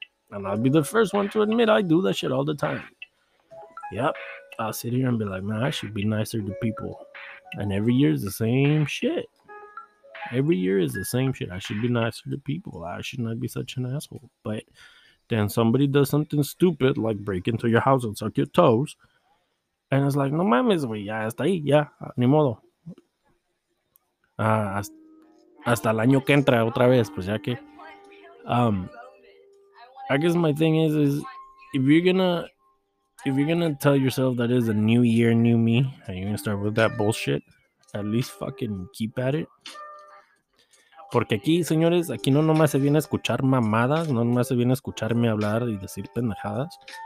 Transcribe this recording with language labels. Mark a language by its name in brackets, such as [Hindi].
[English] And I'll be the first one to admit I do that shit all the time. Yep, I'll sit here and be like, man, I should be nicer to people. And every year is the same shit. Every year is the same shit. I should be nicer to people. I should not be such an asshole. But then somebody does something stupid, like break into your house and suck your toes. And it's like, [Spanish] no mames, güey. Ya, hasta ahí, ya. Ni modo. Hasta el año que entra otra vez, pues ya que. [English] I guess my thing is if you're gonna tell yourself that is a new year, new me, and you're gonna start with that bullshit, at least fucking keep at it. [Spanish] Porque aquí, señores, aquí no nomás se viene a escuchar mamadas, no nomás se viene a escucharme hablar y decir pendejadas.